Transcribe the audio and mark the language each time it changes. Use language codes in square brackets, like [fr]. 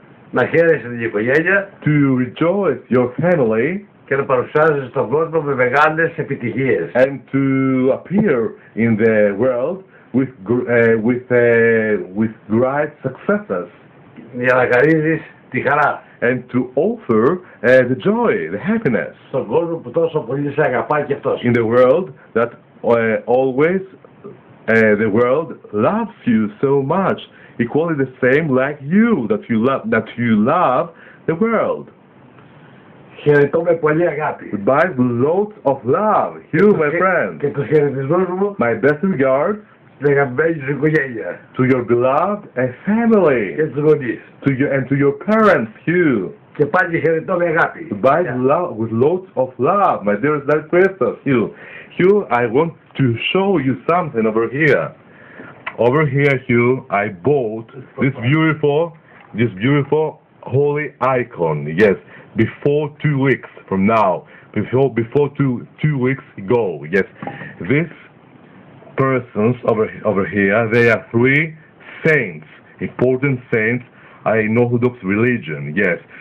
[el] Να χαίρεσαι την οικογένεια. [en] To rejoice your family. [el] Και να παρουσιάζεις στον κόσμο με μεγάλες επιτυχίες. [en] And to appear in the world with great successes. [el] Για να χαρίζεις τη χαρά. [en] And to offer the joy, the happiness. [el] Στον κόσμο που τόσο πολύ σε αγαπάει και αυτός. [en] In the world that always the world loves you so much, equally the same like you that you love the world. [el] Χαιρετώ με πολύ αγάπη. [en] By loads of love, you, [el] και [en] my friend. [el] Και τους χαιρετισμούς μου. [en] My best regards. [el] Στην αγαπημένη σου οικογένεια. [en] To your beloved and family. [el] Και τους γονείς. [en] To your parents, Hugh. [el] Και πάλι χαιρετώ με αγάπη. [en] By love, with loads of love, my dearest life Christmas, Hugh. Hugh, I want to show you something over here. Over here, Hugh, I bought this beautiful holy icon. Yes. Before 2 weeks from now, before two weeks ago, yes, these persons over here, they are three saints, important saints, in Orthodox religion, yes.